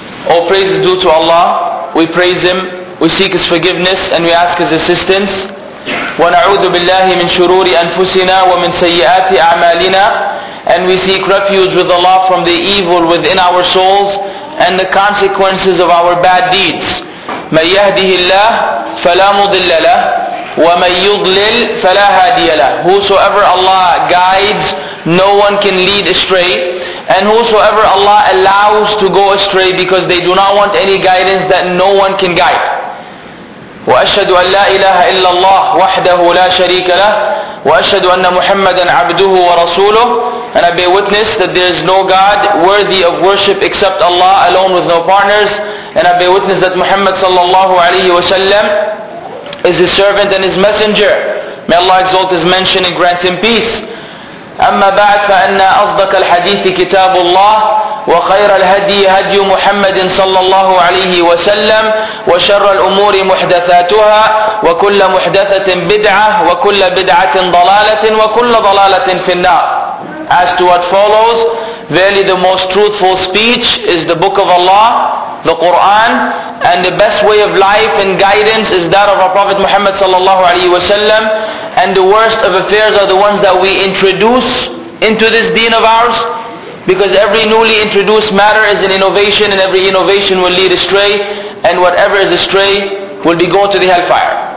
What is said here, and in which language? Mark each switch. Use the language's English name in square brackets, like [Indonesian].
[English] All praise is due to Allah. We praise Him. We seek His forgiveness and we ask His assistance. [Arabic] ونعوذ بالله من شرور أنفسنا ومن سيئات أعمالنا. [English] And we seek refuge with Allah from the evil within our souls and the consequences of our bad deeds. [Arabic] من يهده الله فلا مضل له. وَمَنْ يُضْلِلْ فَلَا هَادِيَ لَهُ. [English] Whosoever Allah guides, no one can lead astray. And whosoever Allah allows to go astray because they do not want any guidance, that no one can guide. [Arabic] وَأَشْهَدُ أَنْ لَا إِلَهَ إِلَّا اللَّهُ وَحْدَهُ لَا شَرِيكَ لَهُ وَأَشْهَدُ أَنَّ مُحَمَّدًا عَبْدُهُ وَرَسُولُهُ. [English] And I bear witness that there is no God worthy of worship except Allah alone with no partners. And I bear witness that Muhammad sallallahu alayhi wa sallam is His servant and His messenger. May Allah exalt His mention and grant Him peace. [Arabic] أما بعد فأن أصدق الحديث كتاب الله وخير الهدي هدي محمد صلى الله عليه وسلم وشر الأمور محدثاتها وكل محدثة بدعة وكل بدعة ضلالة وكل ضلالة في النار. [English] As to what follows, verily the most truthful speech is the book of Allah, the Quran, and the best way of life and guidance is that of our Prophet Muhammad sallallahu alaihi wasallam, and the worst of affairs are the ones that we introduce into this deen of ours, because every newly introduced matter is an innovation and every innovation will lead astray, and whatever is astray will be going to the hellfire.